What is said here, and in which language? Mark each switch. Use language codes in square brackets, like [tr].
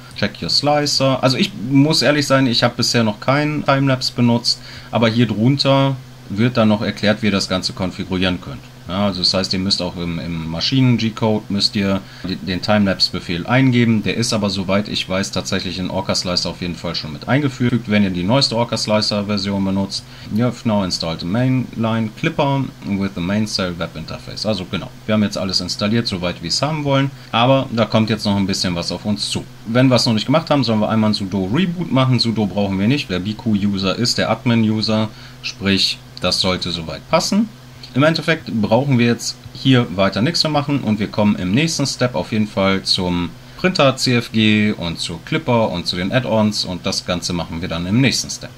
[en] Check your Slicer. [de] Also ich muss ehrlich sein, ich habe bisher noch keinen Timelapse benutzt, aber hier drunter wird dann noch erklärt, wie ihr das Ganze konfigurieren könnt. Ja, also das heißt, ihr müsst auch im Maschinen-G-Code müsst ihr den Timelapse-Befehl eingeben. Der ist aber, soweit ich weiß, tatsächlich in Orca-Slicer auf jeden Fall schon mit eingefügt, wenn ihr die neueste Orca-Slicer-Version benutzt. [en] You have now installed the mainline Clipper with the mainsail web interface. [de] Also genau, wir haben jetzt alles installiert, soweit wir es haben wollen. Aber da kommt jetzt noch ein bisschen was auf uns zu. Wenn wir es noch nicht gemacht haben, sollen wir einmal ein sudo reboot machen. Sudo brauchen wir nicht. Wer BQ-User ist, der Admin-User, sprich, das sollte soweit passen. Im Endeffekt brauchen wir jetzt hier weiter nichts mehr machen und wir kommen im nächsten Step auf jeden Fall zum Printer CFG und zu Clipper und zu den Add-ons, und das Ganze machen wir dann im nächsten Step.